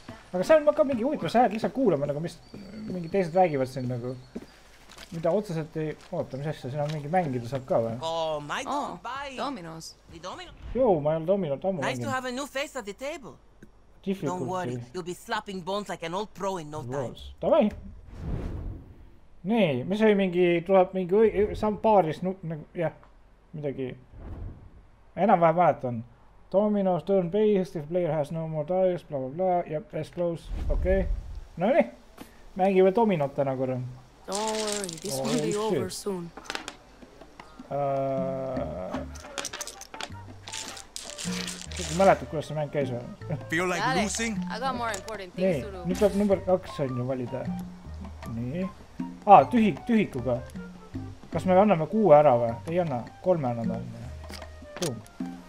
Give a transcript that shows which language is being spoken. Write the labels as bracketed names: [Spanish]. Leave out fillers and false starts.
[Estonian] Aga seal ma ka mingi huvitav sääd lihtsalt kuulema, nagu mis mingi teised räägivad siin nagu. Mida otsaselt ei... Oota, mis asja, siin on mingi mängida saab ka või? [English] Dominos. [Estonian] Joo, ma ei ole Dominot ammu mängin. [English] Nice to have a new face at the table. Difficulty. Don't worry, you'll be slapping bones like an old pro in no time. [Estonian] Tavai! Nii, mis oli mingi, tuleb mingi sam paaris, jah, midagi. Enam vähem mäletan. [English] Dominos, turn based, if player has no more dice, bla bla bla, jah, best close, okei. [Estonian] No nii, mängime Dominot täna korra. [English] Don't worry, this will be over soon. [Estonian] Ma mäletad, kuidas see mäng käis või? [English] Feel like losing? [Estonian] Nii, nüüd peab number 2 on ju valida. Nii. Tühikuga. Kas me anname 6 ära või? Ei anna, 3 anname. Boom.